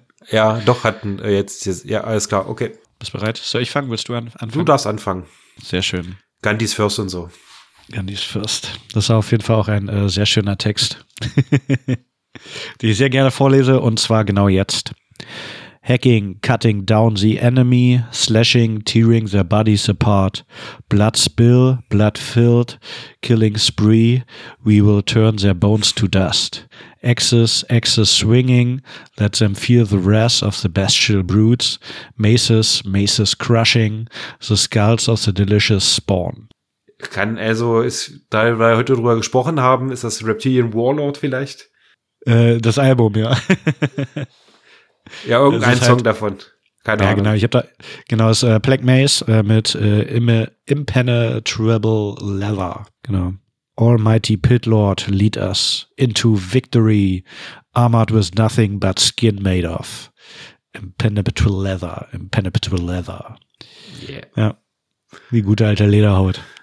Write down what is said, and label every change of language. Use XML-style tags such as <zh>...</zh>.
<de>Ja, doch, hat ein, jetzt, ja, alles klar, okay. Bist bereit? Soll ich fangen? Willst du anfangen? Du darfst anfangen. Sehr schön. Gandhi's First und so. Gandhi's First. Das ist auf jeden Fall auch ein sehr schöner Text, den ich sehr gerne vorlese, und zwar genau jetzt.</de> <en>Hacking, cutting down the enemy, slashing, tearing their bodies apart. Blood spill, blood filled, killing spree, we will turn their bones to dust. Axes, axes swinging, let them feel the wrath of the bestial brutes. Maces, maces crushing, the skulls of the delicious spawn.</en> <de>Kann also, da wir heute drüber gesprochen haben, ist das Reptilian Warlord vielleicht? Das Album, ja. Ja, irgendein Song halt, davon. Keine Ahnung. Ja, genau, ich habe da, genau, das Black Maze mit Impenetrable Leather. Genau.</de> <en>Almighty Pit Lord, lead us into victory, armored with nothing but skin made of impenetrable leather, impenetrable leather. Yeah.</en> <de>Ja, die gute alte Lederhaut.</de>